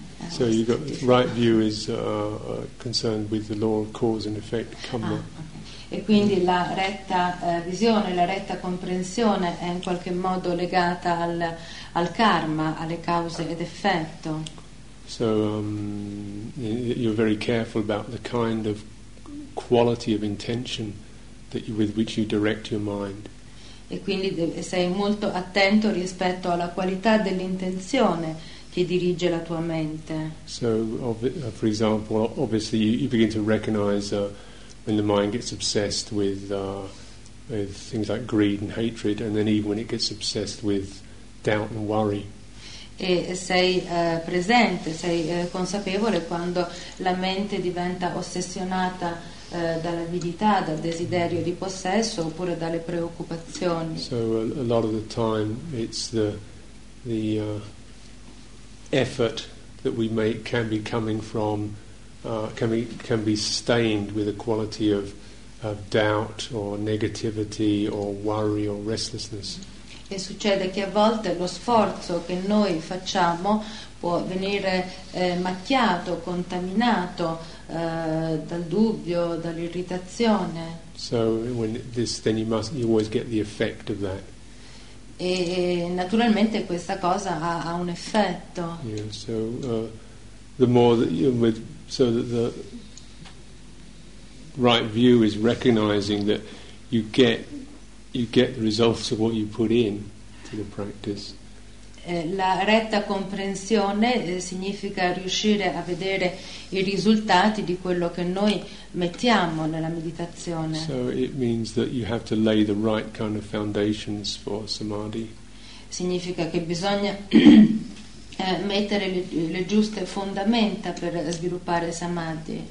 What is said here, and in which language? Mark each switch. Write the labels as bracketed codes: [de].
[en] So you got right view is concerned with the law of cause and effect, karma. Ah, okay. [it] E quindi la retta visione, la retta comprensione è in qualche modo legata al karma, alle cause ed effetto. [en] So you're very careful about the kind of quality of intention with which you direct your mind. [it] E quindi sei molto attento rispetto alla qualità dell'intenzione che dirige la tua mente. [en] So, for example, obviously you begin to recognize when the mind gets obsessed with things like greed and hatred, and then even when it gets obsessed with doubt and worry. [it] E sei presente, sei consapevole quando la mente diventa ossessionata dall'avidità, dal desiderio di possesso, oppure dalle preoccupazioni. [en] So, a lot of the time, it's the effort that we make can be coming from can be stained with a quality of doubt or negativity or worry or restlessness. [it] E succede che a volte lo sforzo che noi facciamo può venire macchiato, contaminato dal dubbio, dall'irritazione. [en] So when this, then you always get the effect of that. [it] E naturalmente questa cosa ha un effetto. [en] Yeah, so the more that you with, so that the right view is recognizing that you get the results of what you put in to the practice. [it] La retta comprensione significa riuscire a vedere i risultati di quello che noi mettiamo nella meditazione. [en] So it means that you have to lay the right kind of foundations for samadhi. [it] Significa che bisogna mettere le giuste fondamenta per sviluppare samadhi.